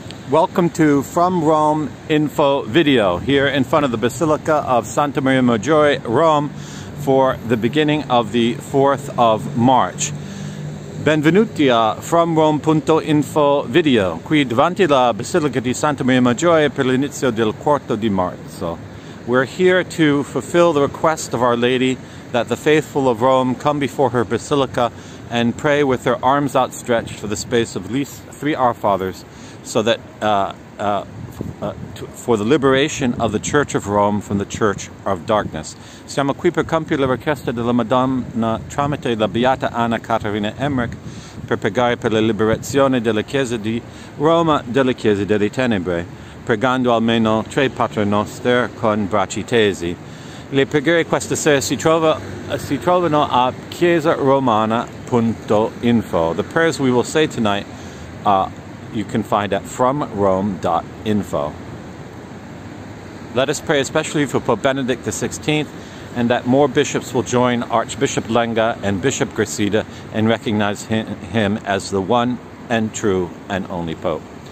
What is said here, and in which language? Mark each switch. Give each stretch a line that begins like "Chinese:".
English: Welcome to From Rome Info Video here in front of the Basilica of Santa Maria Maggiore, Rome, for the beginning of the 4th of March.
Italian: Benvenuti a FromRome.Info Video, qui davanti la Basilica di Santa Maria Maggiore per l'inizio del 4 di marzo.
English: We're here to fulfill the request of Our Lady that the faithful of Rome come before her Basilica and pray with their arms outstretched for the space of at least 3 Our Fathers, so that for the liberation of the Church of Rome from the Church of Darkness.
Italian: Siamo qui per compiere la richiesta della Madonna tramite la Beata Anna Caterina Emmerich per pregare per la liberazione della Chiesa di Roma della Chiesa delle Tenebre, pregando almeno 3 Paternoster con bracci tesi. Le preghiere questa sera si trovano a ChiesaRomana.Info.
English: The prayers we will say tonight you can find at FromRome.Info. Let us pray especially for Pope Benedict XVI and that more bishops will join Archbishop Lenga and Bishop Gracida and recognize him as the one and true and only Pope.